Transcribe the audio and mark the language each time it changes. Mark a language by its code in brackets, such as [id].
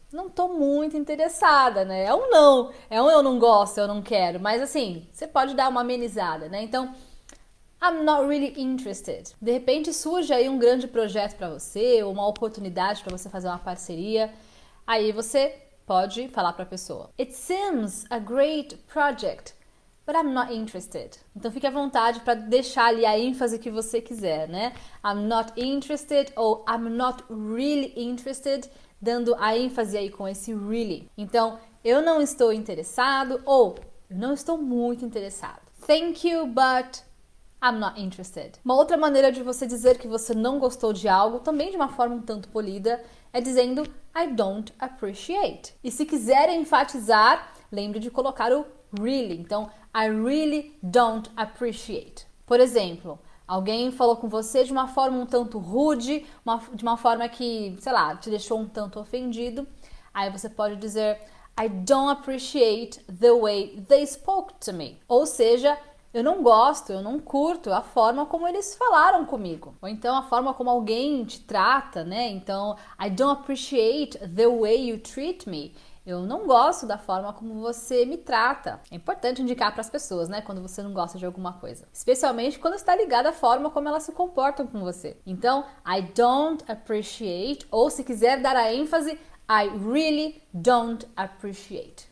[pt] Não tô muito interessada, né? É um não. É um eu não gosto, eu não quero. Mas assim, você pode dar uma amenizada, né? Então, [en] I'm not really interested. [pt] De repente surge aí um grande projeto pra você, ou uma oportunidade pra você fazer uma parceria. Aí você pode falar pra pessoa. [en] It seems a great project, but I'm not interested. [pt] Então, fique à vontade pra deixar ali a ênfase que você quiser, né? [en] I'm not interested [pt] ou [en] I'm not really interested, [pt] dando a ênfase aí com esse [en] really. [pt] Então, eu não estou interessado ou não estou muito interessado. [en] Thank you, but I'm not interested. [pt] Uma outra maneira de você dizer que você não gostou de algo, também de uma forma um tanto polida, é dizendo [en] I don't appreciate. [pt] E se quiser enfatizar, lembre de colocar o really. [en] Então, I really don't appreciate. [pt] Por exemplo, alguém falou com você de uma forma um tanto rude, de uma forma que, sei lá, te deixou um tanto ofendido. Aí você pode dizer, [en] I don't appreciate the way they spoke to me. [pt] Ou seja, Eu não gosto, eu não curto a forma como eles falaram comigo. Ou então a forma como alguém te trata, né? [en] Então, I don't appreciate the way you treat me. [pt] Eu não gosto da forma como você me trata. É importante indicar para as pessoas, né, quando você não gosta de alguma coisa. Especialmente quando está ligada à forma como elas se comportam com você. Então, [en] I don't appreciate, [pt] ou se quiser dar a ênfase, [en] I really don't appreciate.